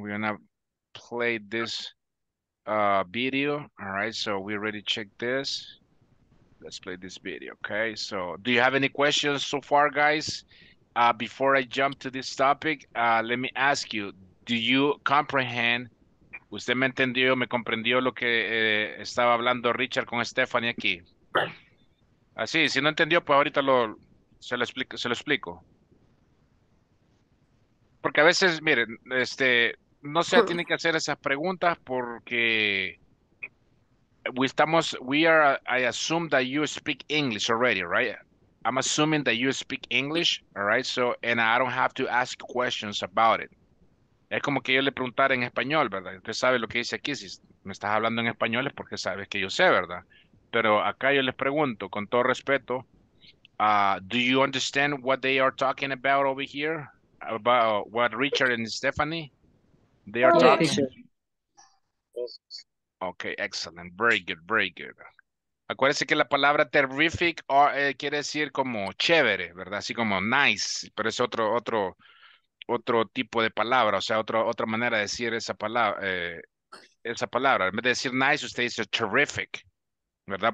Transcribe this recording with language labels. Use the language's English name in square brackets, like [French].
[English] We're gonna play this video. All right, so we already checked this. Let's play this video, okay? So do you have any questions so far, guys? Before I jump to this topic, let me ask you, do you comprehend? [Spanish] ¿Usted me entendió, me comprendió lo que estaba hablando Richard con Stephanie aquí? Así, si no entendió, pues ahorita se lo explico. Porque a veces, miren, no se tiene que hacer esas preguntas porque [English] I assume that you speak English already, right? [Spanish] I'm assuming that you speak English, all right? So, and I don't have to ask questions about it. Es como que yo le preguntara en español, ¿verdad? Usted sabe lo que dice aquí, si me estás hablando en español es porque sabes que yo sé, ¿verdad? Pero acá yo les pregunto, con todo respeto, [English] do you understand what they are talking about over here? About what Richard and Stephanie, they are talking? Okay, excellent. Very good. [Spanish] Acuérdense que la palabra terrific quiere decir como chévere, ¿verdad? Así como nice, pero es otro tipo de palabra, o sea, otra manera de decir esa palabra. En vez de decir nice, usted dice terrific, ¿verdad?